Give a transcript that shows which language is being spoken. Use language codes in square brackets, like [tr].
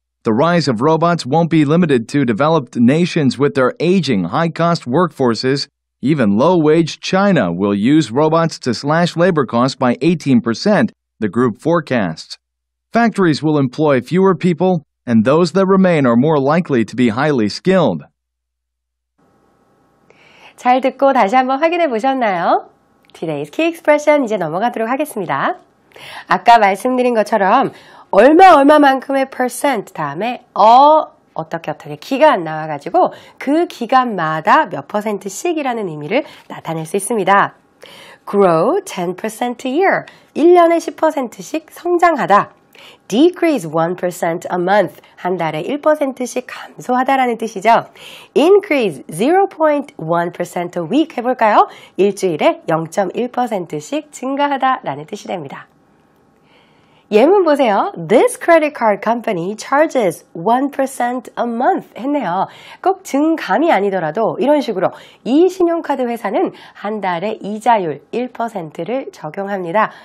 [en] The rise of robots won't be limited to developed nations with their aging, high-cost workforces. Even low-wage China will use robots to slash labor costs by 18%, the group forecasts. Factories will employ fewer people, and those that remain are more likely to be highly skilled. [ko] 잘 듣고 다시 한번 확인해 보셨나요? [en] Today's key expression [ko] 이제 넘어가도록 하겠습니다. 아까 말씀드린 것처럼 얼마 얼마만큼의 percent 다음에 어떻게 어떻게 기간 나와가지고 그 기간마다 몇 퍼센트씩이라는 의미를 나타낼 수 있습니다. [en] grow 10% a year, [ko] 1년에 10%씩 성장하다. [en] decrease 1% a month, [ko] 한 달에 1%씩 감소하다라는 뜻이죠. [en] increase 0.1% a week [ko] 해볼까요? 일주일에 0.1%씩 증가하다라는 뜻이 됩니다. 예문 보세요. [en] This credit card company charges 1% a month [ko] 했네요. 꼭 증감이 아니더라도 이런 식으로 이 신용카드 회사는 한 달에 이자율 1%를 적용합니다.